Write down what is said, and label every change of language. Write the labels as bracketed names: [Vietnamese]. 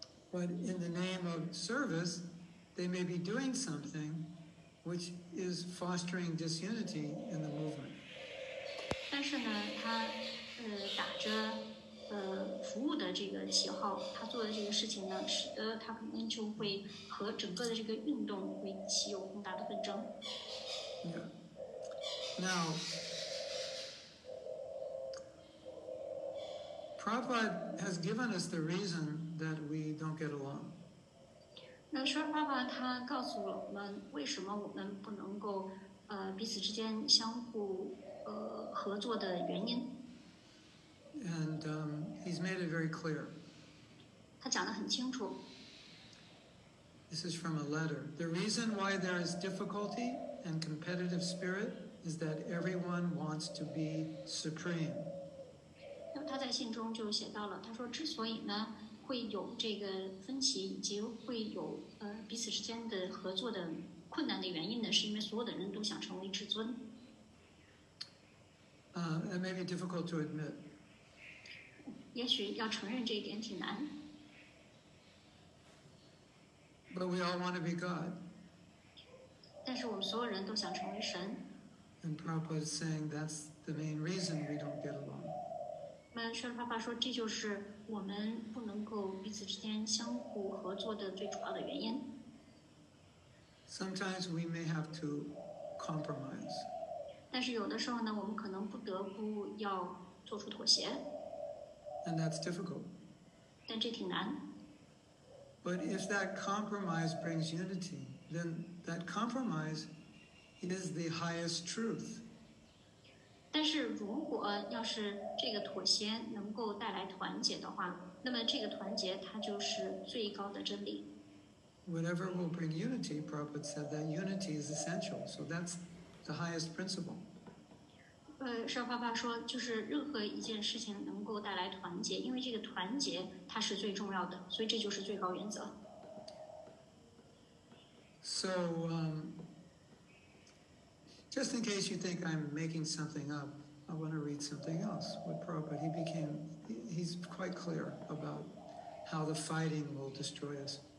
[English] But in the name of service, they may be doing something which is fostering disunity in the movement. [Chinese] 但是呢，他打着服务的这个旗号，他做的这个事情呢，使得他可能就会和整个的这个运动会起有更大的纷争。 [English] Yeah. Now, Prabhupada has given us the reason. That we don't get along. [Chinese] 那说爸爸他告诉了我们为什么我们不能够彼此之间相互合作的原因。 [English] And he's made it very clear. [Chinese] 他讲得很清楚。 [English] This is from a letter. The reason why there is difficulty and competitive spirit is that everyone wants to be supreme. [Chinese] 那他在信中就写到了，他说之所以呢。会有这个分歧，以及会有彼此之间的合作的困难的原因呢，是因为所有的人都想成为至尊。 [English] It may be difficult to admit. [Chinese] 也许要承认这一点挺难。 [English] But we all want to be God. [Chinese] 但是我们所有人都想成为神。 [English] And Prabhupada is saying that's the main reason we don't get along. [Chinese] 舍利帕帕说这就是我们不能够彼此之间相互合作的最主要的原因。 [English] Sometimes we may have to compromise. [Chinese] 但是有的时候呢，我们可能不得不要做出妥协。 [English] And that's difficult. [Chinese] 但这挺难。 [English] But if that compromise brings unity, then that compromise is the highest truth. [Chinese] 但是如果要是这个妥协能够带来团结的话，那么这个团结它就是最高的真理。 [English] whatever will bring unity, Prabhupada said that unity is essential. So that's the highest principle. [Chinese] 邵爸爸说, 就是任何一件事情能够带来团结, 因为这个团结它是最重要的, 所以这就是最高原则。 [English] So, just in case you think I'm making something up, I want to read something else. What Prabhupada, he's quite clear about how the fighting will destroy us.